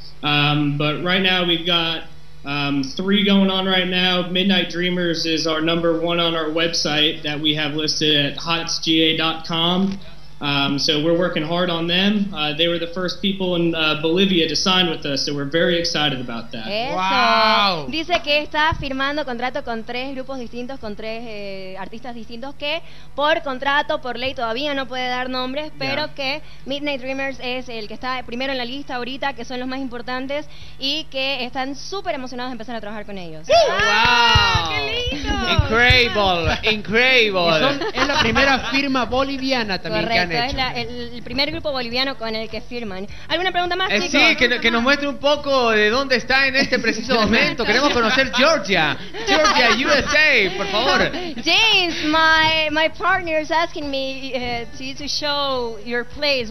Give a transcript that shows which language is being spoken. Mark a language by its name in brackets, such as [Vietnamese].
[English] But right now we've got three going on right now. Midnight Dreamers is our number one on our website that we have listed at hotsga.com. So we're working hard on them. They were the first people in Bolivia to sign with us, so we're very excited about that. Wow. [Spanish] Dice que está firmando contrato con tres grupos distintos, con tres artistas distintos, que por contrato, por ley, todavía no puede dar nombres, pero que Midnight Dreamers es el que está primero en la lista ahorita, que son los más importantes y que están súper emocionados de empezar a trabajar con ellos. [English] Wow. [Spanish] ¡Qué lindo! [English] Incredible, incredible. [Spanish] Es la primera firma boliviana también. Correcto. Es el primer grupo boliviano con el que firman. ¿Alguna pregunta más, chicos? Sí, que nos muestre un poco de dónde está en este preciso momento. Queremos conocer Georgia. Georgia, USA, por favor. [English] James, my partner is asking me to show your place.